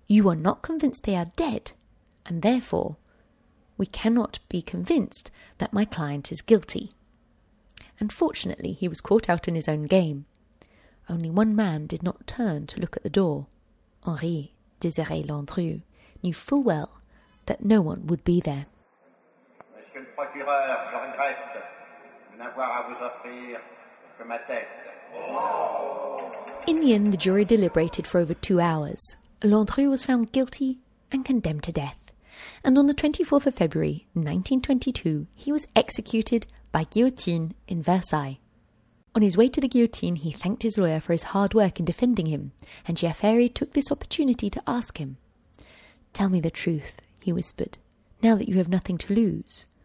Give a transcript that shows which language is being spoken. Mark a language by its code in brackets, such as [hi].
[en] You are not convinced they are dead. And therefore, we cannot be convinced that my client is guilty. Unfortunately, he was caught out in his own game. Only one man did not turn to look at the door. Henri Désiré Landru knew full well that no one would be there. [fr] Monsieur le procureur, je regrette de n'avoir à vous offrir que ma tête. [en] In the end, the jury deliberated for over 2 hours. Landru was found guilty and condemned to death. And on the 24th of February, 1922, he was executed by guillotine in Versailles. On his way to the guillotine, he thanked his lawyer for his hard work in defending him, and Giafferi took this opportunity to ask him, "Tell me the truth," he whispered, "now that you have nothing to lose.